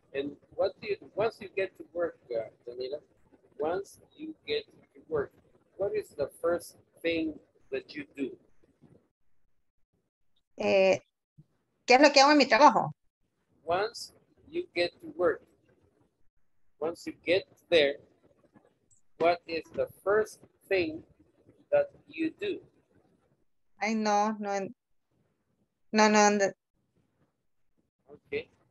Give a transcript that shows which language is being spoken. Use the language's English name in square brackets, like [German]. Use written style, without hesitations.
[English] And what do you, once you get to work, Danila, once you get to work, what is the first thing that you do? [Spanish] ¿Qué es lo que hago en mi trabajo? [English] Once you get to work, once you get there, what is the first thing that you do? I know, no. Okay.